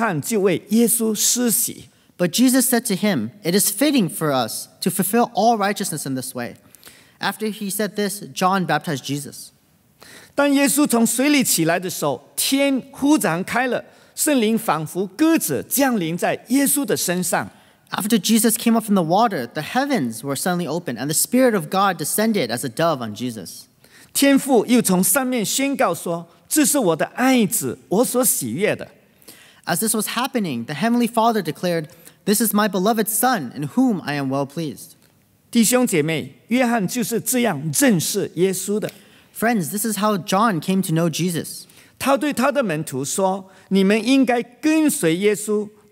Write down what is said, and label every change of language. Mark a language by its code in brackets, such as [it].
[zh] 主耶稣回答说,我理当这样尽诸般的义,约翰就为耶稣施洗。 [en] But Jesus said to him, it is fitting for us to fulfill all righteousness in this way. After he said this, John baptized Jesus. [zh] 当耶稣从水里起来的时候,天忽然开了,圣灵仿佛鸽子降临在耶稣的身上。 [en] After Jesus came up from the water, the heavens were suddenly opened, and the Spirit of God descended as a dove on Jesus. [zh] 天父又从上面宣告说,这是我的爱子,我所喜悦的。 [en] As this was happening, the Heavenly Father declared, This is my beloved Son, in whom I am well pleased. [zh] 弟兄姐妹,约翰就是这样认识耶稣的。 [en] Friends, this is how John came to know Jesus. [zh] 他对他的门徒说,你们应该跟随耶稣。